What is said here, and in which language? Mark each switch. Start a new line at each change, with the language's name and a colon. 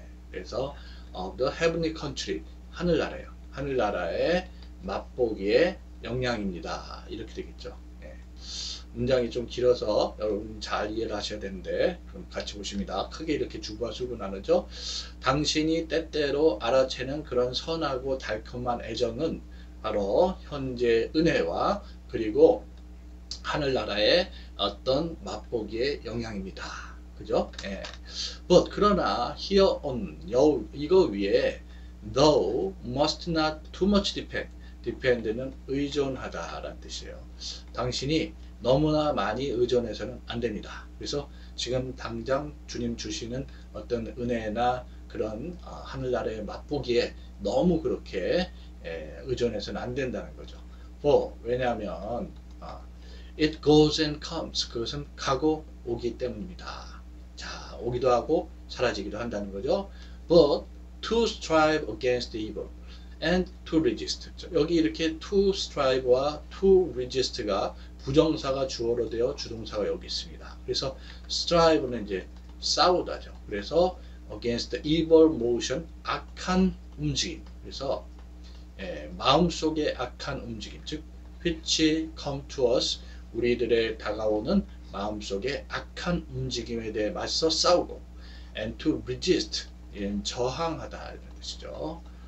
Korean: 그래서
English: of the heavenly country
Korean: 하늘나라예요. 하늘나라의 맛보기의 영향입니다. 이렇게 되겠죠. 문장이 좀 길어서 여러분 잘 이해를 하셔야 되는데 그럼 같이 보십니다. 크게 이렇게 주부와 수부 나누죠. 당신이 때때로 알아채는 그런 선하고 달콤한 애정은 바로 현재 은혜와 그리고 하늘나라의 어떤 맛보기의 영향입니다. 그죠? 예.
English: But
Korean: 그러나
English: here on
Korean: 이거 위에
English: though must not too much depend
Korean: 는 의존하다라는 뜻이에요. 당신이 너무나 많이 의존해서는 안 됩니다. 그래서 지금 당장 주님 주시는 어떤 은혜나 그런 하늘나라의 맛보기에 너무 그렇게 의존해서는 안 된다는 거죠.
English: For
Korean: 왜냐하면
English: it goes and comes
Korean: 그것은 가고 오기 때문입니다. 자, 오기도 하고 사라지기도 한다는 거죠.
English: But to strive against evil and to resist
Korean: 여기 이렇게
English: to strive
Korean: 와
English: to resist
Korean: 가 부정사가 주어로 되어 주동사가 여기 있습니다. 그래서 strive는 이제 싸우다죠. 그래서
English: against the evil motion,
Korean: 악한 움직임. 그래서 마음속의 악한 움직임, 즉
English: which come to us,
Korean: 우리들의 다가오는 마음속의 악한 움직임에 대해 맞서 싸우고
English: and to resist,
Korean: 저항하다 이런 뜻이죠.